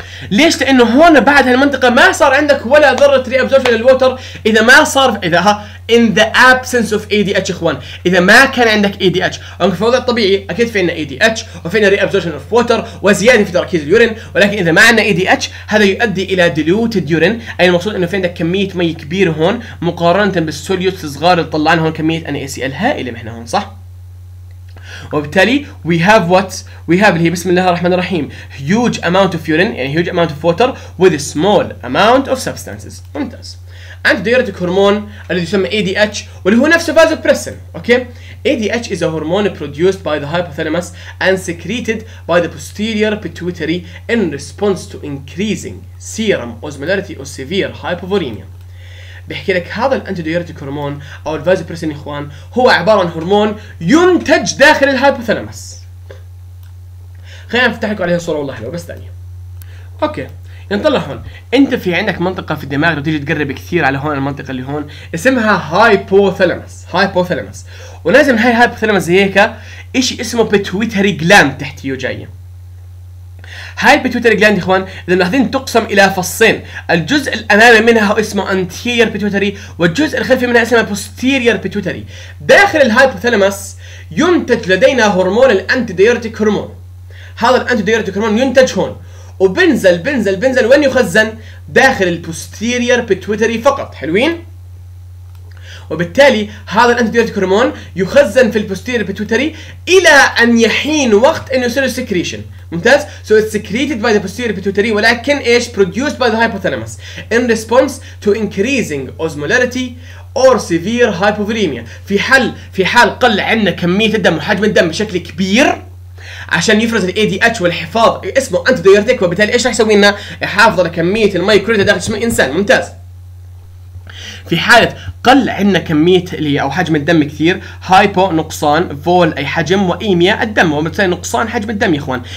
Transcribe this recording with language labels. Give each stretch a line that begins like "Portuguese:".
Arabic: ليش؟ لانه هون بعد هالمنطقه ما صار عندك ولا ذره ري ابزوربشن للووتر، اذا ما صار اذا ها
English: in the absence of ADH
Arabic: اخوان، اذا ما كان عندك ADH في الوضع الطبيعي اكيد في عندنا ADH وفي عندنا reabsorption of water وزياده في تركيز اليورين، ولكن اذا ما عندنا ADH هذا يؤدي الى diluted urine، اي المقصود انه في عندك كميه مي كبيره هون مقارنه بالسوليوس الصغار اللي طلعنا هون كميه NaCl هائله من احنا هون صح؟ وبالتالي
English: we have what we have
Arabic: اللي هي بسم الله الرحمن الرحيم
English: huge amount of urine
Arabic: يعني
English: huge amount of water with a small amount of substances.
Arabic: ممتاز. عند ديورتيك هرمون الذي يسمى ADH واللي هو نفسه فازوبريسن.
English: Okay ADH is a hormone produced by the hypothalamus and secreted by the posterior pituitary in response to increasing serum osmolarity or severe hypovolemia.
Arabic: بحكي لك هذا الانتيديورتيك هرمون او الفازوبريسن يا اخوان هو عباره عن هرمون ينتج داخل الهايبوثالامس. خلينا نفتح لكم عليها صوره والله حلوه بس ثانيه. اوكي نطلع هون، انت في عندك منطقه في الدماغ لو تيجي تقرب كثير على هون المنطقه اللي هون اسمها هايبوثالامس، هايبوثالامس، ولازم هاي الهايبوثالامس زي هيك شيء اسمه بيتويتري جلاند تحتيه جايه. هاي البيتويتري جلاند يا اخوان اذا ناخذين تقسم الى فصين، الجزء الامامي منها اسمه انتيرير بيتويتري والجزء الخلفي منها اسمه بوستيرير بيتويتري. داخل الهايبوثالامس ينتج لدينا هرمون الانتيديورتيك هرمون، هذا الانتيديورتيك هرمون ينتج هون وبنزل بنزل بنزل وين يخزن؟ داخل البوستيرير بيتويتري فقط. حلوين؟ وبالتالي هذا الانتيديورتيك هرمون يخزن في البوستيرير بيتويتري الى ان يحين وقت انه يصير السكريشن. ممتاز.
English: So it's secreted by the posterior pituitary
Arabic: ولكن ايش
English: produced by the hypothalamus in response to increasing osmolarity or severe hypovolemia.
Arabic: في حال قل عندنا كمية الدم وحجم الدم بشكل كبير عشان يفرز الاي دي اتش والحفاظ اسمه انت ديرتك، وبالتالي ايش راح يسوي لنا؟ يحافظ على كمية الميكروبيتا داخل جسم الانسان. ممتاز. في حالة قل عندنا كمية اللي او حجم الدم كثير، هايبو نقصان، فول اي حجم، وايميا الدم، وبالتالي نقصان حجم الدم يا اخوان.